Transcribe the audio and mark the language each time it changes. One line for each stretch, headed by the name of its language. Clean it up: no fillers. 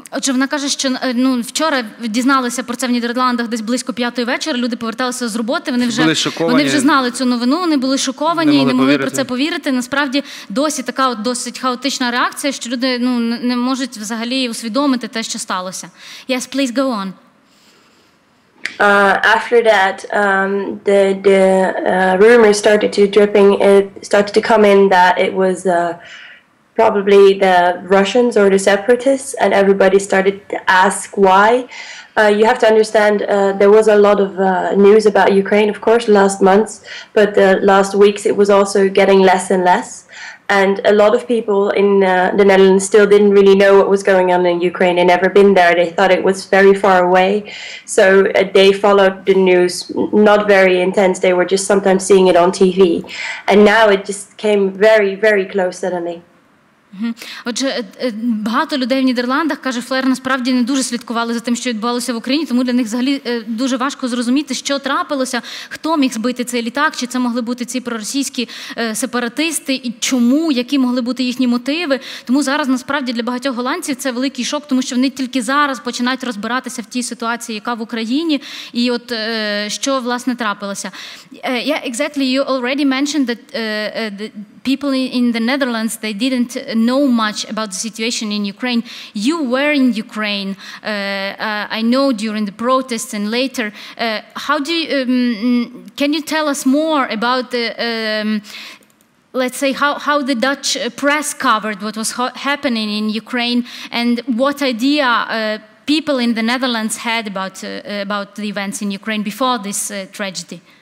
Ukrainian: Отже, вона каже, що вчора дізналися про це в Нідерландах десь близько 5 вечора, люди поверталися з роботи, вони вже знали цю новину, вони були шоковані і не могли про це повірити. Насправді, досі така от досить хаотична реакція, що люди не можуть взагалі усвідомити те, що сталося.
English: Yes, please go on. After that, the rumors started to dripping, it started to come in that it was probably the Russians or the separatists, and everybody started to ask why. You have to understand, there was a lot of news about Ukraine, of course, last month, but the last weeks it was also getting less and less. And a lot of people in the Netherlands still didn't really know what was going on in Ukraine. They'd never been there. They thought it was very far away. So they followed the news, not very intense. They were just sometimes seeing it on TV. And now it just came very, very close suddenly.
Ukrainian: Отже, багато людей в Нідерландах, каже Флер, насправді не дуже слідкували за тим, що відбувалося в Україні, тому для них взагалі дуже важко зрозуміти, що трапилося, хто міг збити цей літак, чи це могли бути ці проросійські сепаратисти, і чому, які могли бути їхні мотиви. Тому зараз, насправді, для багатьох голландців це великий шок, тому що вони тільки зараз починають розбиратися в тій ситуації, яка в Україні, і от що, власне, трапилося.
English: Yeah, exactly, you already mentioned that people in the Netherlands, they didn't know much about the situation in Ukraine. You were in Ukraine, I know, during the protests and later. How do you, can you tell us more about the, let's say, how the Dutch press covered what was happening in Ukraine and what idea people in the Netherlands had about the events in Ukraine before this tragedy?